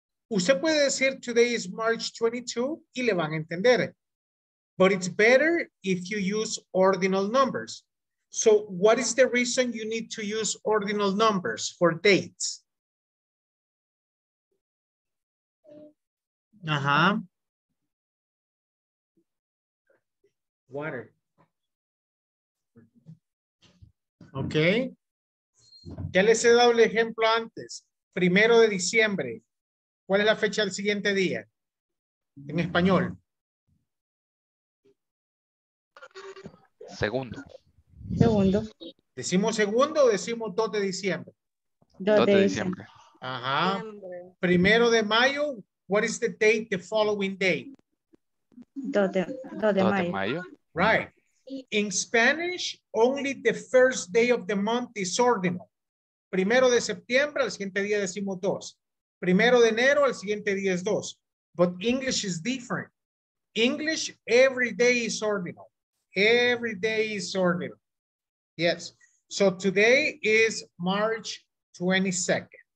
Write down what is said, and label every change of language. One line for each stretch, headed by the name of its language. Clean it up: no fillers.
Spanish: Usted puede decir
English: today is March 22
Spanish: y le van a entender.
English: But it's better if you use ordinal numbers. So what is the reason you need to use ordinal numbers for dates? Uh-huh. Water.
Spanish: Okay, ya les he dado el ejemplo antes, primero de diciembre, ¿cuál es la fecha del siguiente día? En español. Segundo. Segundo. ¿Decimos segundo o decimos 2 de diciembre? 2 de diciembre. Ajá, primero de mayo,
English: what is the date the following day?
Spanish: 2 de mayo.
English: Right. In Spanish, only the first day of the month is ordinal.
Spanish: Primero de septiembre, al siguiente día decimos dos. Primero de enero, al siguiente día es dos.
English: But English is different. English, every day is ordinal. Every day is ordinal. Yes. So today is March 22nd.